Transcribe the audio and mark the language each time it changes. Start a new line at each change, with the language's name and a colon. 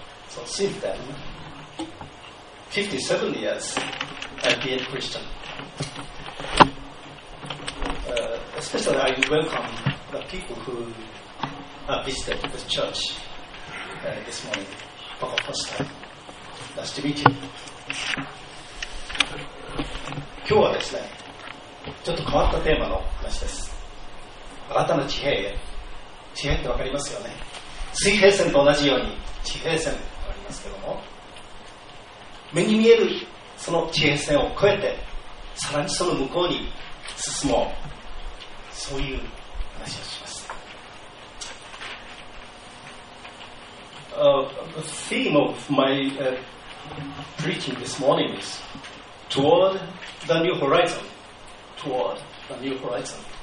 English: So since then, 57 years, I've been a Christian. Especially, I welcome the people who have visited this church this morning for the first time. Nice to meet you.
Japanese: 今日はですね、ちょっと変わったテーマの話です。新たな地平へ。地平って分かりますよね。水平線と同じように地平線がありますけども、目に見えるその地平線を越えてさらにその向こうに進もう、そういう話をします。
English: The theme of my preaching this morning is Toward the New HorizonToward the new horizon.